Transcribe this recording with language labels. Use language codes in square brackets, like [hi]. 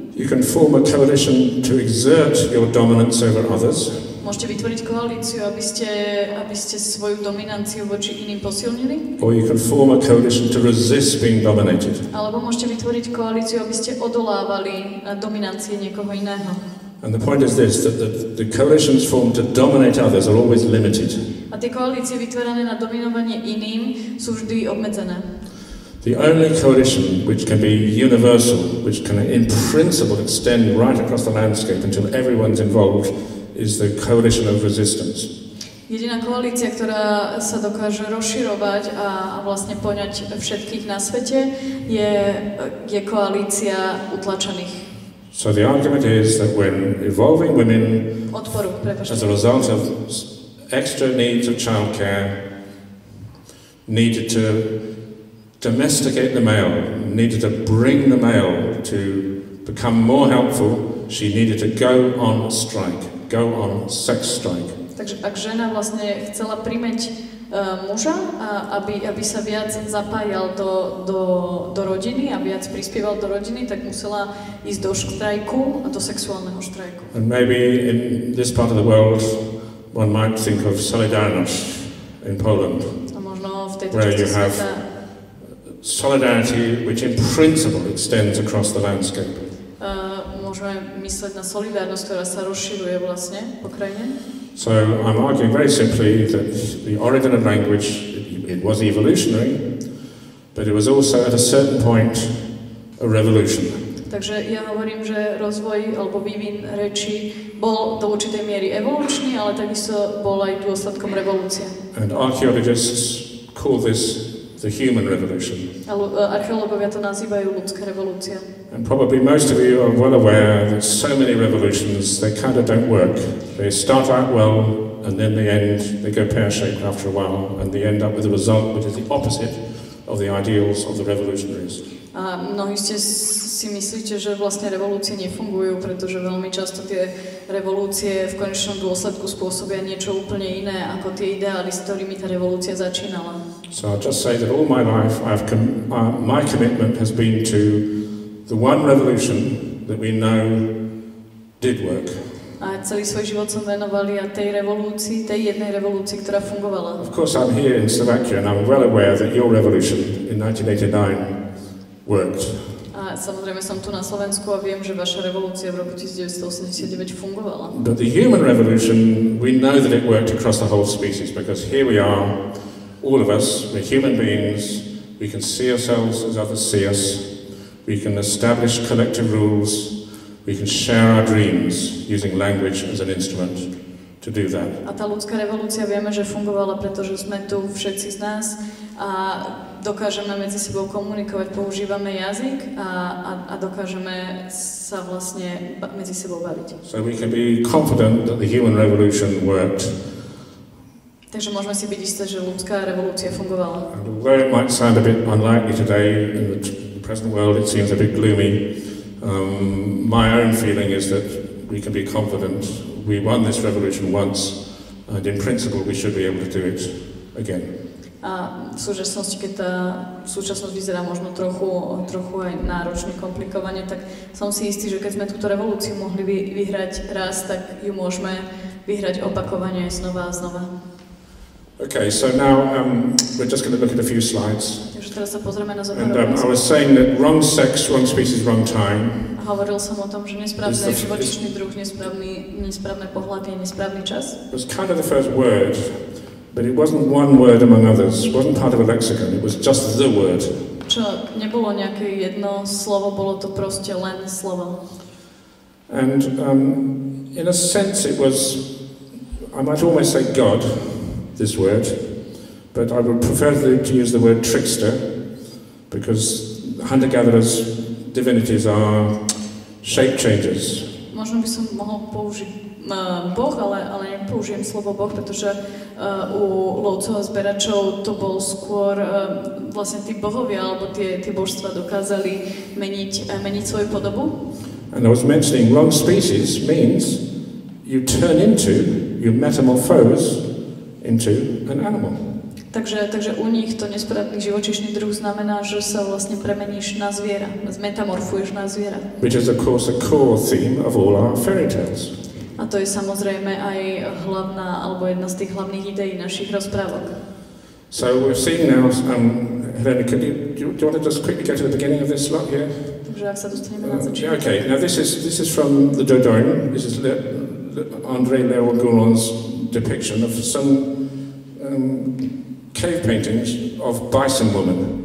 [en] You can form a coalition to exert your dominance over others. [sk] Môžete vytvoriť koalíciu, aby ste svoju dominanciu voči iným posilnili. [en] Or you can form a coalition to resist being dominated. [sk] Alebo môžete vytvoriť koalíciu, aby ste odolávali dominancie niekoho iného. [en] And the point is this, that the coalitions formed to dominate others are always limited. [sk] A tie koalície vytvorené na dominovanie iným sú vždy obmedzené. [en] The only coalition which can be universal, which can in principle extend right across the landscape until everyone's involved, is the coalition of resistance. [sk] Jediná koalícia, ktorá sa dokáže rozširovať a vlastne poňať všetkých na svete, je koalícia utlačených. [en] So the argument is that when evolving women, [sk] odporu, [en] as a result of extra needs of childcare, needed to domesticate the male, needed to bring the male to become more helpful, she needed to go on strike, go on sex strike. [sk] Takže ak žena vlastne chcela primeť muža, aby sa viac zapájal do rodiny a viac prispieval do rodiny, tak musela ísť do štrajku, do sexuálneho štrajku. [en] And maybe in this part of the world one might think of solidarność in Poland. [sk] A možno v tejto [en] where [sk] časti [en] you have solidarity which in principle extends across the landscape. [sk] Môžeme mysleť na solidárnosť, ktorá sa rozširuje vlastne po krajine. [en] So I'm arguing very simply that the origin of language, it was evolutionary, but it was also at a certain point a revolution. [sk] Takže ja hovorím, že rozvoj alebo vývin reči bol do určitej miery evolučný, ale takisto bol aj dôsledkom revolúcie. [en] And archaeologists call this the human revolution. [sk] Archeológovia to nazývajú ľudská revolúcia. [en] And probably most of you are well aware that so many revolutions, they kind of don't work. They start out well, and then they end, they go pear-shaped after a while, and they end up with a result which is the opposite of the ideals of the revolutionaries. [sk] A mnohí ste si myslíte, že vlastne revolúcie nefungujú, pretože veľmi často tie revolúcie v konečnom dôsledku spôsobia niečo úplne iné ako tie ideály, s ktorými tá revolúcia začínala. [en] So I'll just say that all my life, my commitment has been to the one revolution that we know did work. [sk] A celý svoj život som venoval ja tej revolúcii, tej jednej revolúcii, ktorá fungovala. [en] Of course, I'm here in Slovakia, and I'm well aware that your revolution in 1989 worked. [sk] A samozrejme som tu na Slovensku a viem, že vaša revolúcia v roku 1989 fungovala. [en] But the human revolution, we know that it worked across the whole species, because here we are, all of us, we're human beings, we can see ourselves as others see us, we can establish collective rules, we can share our dreams using language as an instrument to do that. [sk] A tá ľudská revolúcia vieme, že fungovala, pretože sme tu všetci z nás a dokážeme medzi sebou komunikovať, používame jazyk a dokážeme sa vlastne medzi sebou baviť. [en] So we can be confident that the human revolution worked. [sk] Takže môžeme si byť isté, že ľudská revolúcia fungovala. [en] And although it might sound a bit unlikely today, in the present world it seems a bit gloomy, my own feeling is that we can be confident we won this revolution once, and in principle we should be able to do it again. [sk] A v súčasnosti, keď tá súčasnosť vyzerá možno trochu aj náročne, komplikovane, tak som si istý, že keď sme túto revolúciu mohli vyhrať raz, tak ju môžeme vyhrať opakovane znova a znova. [en] Okay, so now we're just going to look at a few slides. [sk] Takže teraz sa pozrieme na zoberom. [en] And I was saying that wrong sex, wrong species, wrong time. [sk] Hovoril som o tom, že nesprávny živočíšny druh, nesprávne pohľady, nesprávny čas. [en] It was kind of the first word, but it wasn't one word among others. It wasn't part of a lexicon, it was just the word. [sk] Čo, nebolo nejaké jedno slovo, bolo to proste len slovo. [en] And in a sense it was, I might almost say God, this word, but I would prefer to use the word trickster, because hunter-gatherers, divinities are shape-changers. [sk] Možno by som mohol použiť Boh, ale nepoužijem slovo Boh, pretože u lovcov a zberačov to bol skôr vlastne tí bohovia, alebo tie božstva dokázali meniť svoju podobu. [en] And I was mentioning wrong species means you turn into, you metamorphose into an animal. [sk] Takže u nich to nesprávny živočíšny druh znamená, že sa vlastne premeníš na zviera, zmetamorfuješ na zviera. [en] Which is of course a core theme of all our fairy tales. [sk] A to je samozrejme aj hlavná alebo jedna z tých hlavných ideí našich rozprávok. [en] So we're seeing now Helena, do you want to just quickly get to the beginning of this slide here? [sk] Takže ak sa dostaneme na začiatok. [en] Yeah, okay. Now this is from the Dodoin. This is Andre Leo Goulon's depiction of some cave paintings of bison women.